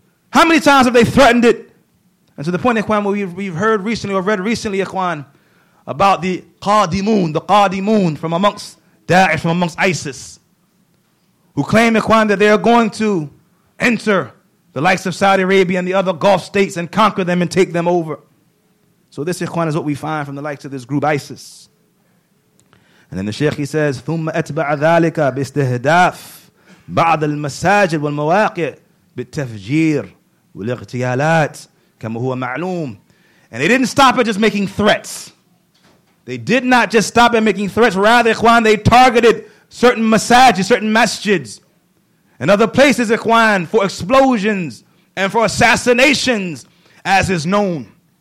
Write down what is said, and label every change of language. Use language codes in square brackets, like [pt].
[en] How many times have they threatened it? And to the point, Ikhwan, where we've heard recently or read recently, Ikhwan, about the Qadimun from amongst Daesh, from amongst ISIS, who claim, Ikhwan, that they are going to enter the likes of Saudi Arabia and the other Gulf states and conquer them and take them over. So this, Ikhwan, is what we find from the likes of this group, ISIS. And then the Sheikh, he says, [ar] ثُمَّ أَتْبَعَ ذَلِكَ بِاسْتِهْدَافِ بَعْضَ الْمَسَاجِدْ وَالْمَوَاقِعِ بِالتَّفْجِيرِ وَالْاغْتِيَالَاتِ كَمَا هُوَ مَعْلُومٌ. [en] And they didn't stop at just making threats. They did not just stop at making threats. Rather, Ikhwan, they targeted certain masajids, certain masjids, and other places, Ikhwan, for explosions and for assassinations, as is known.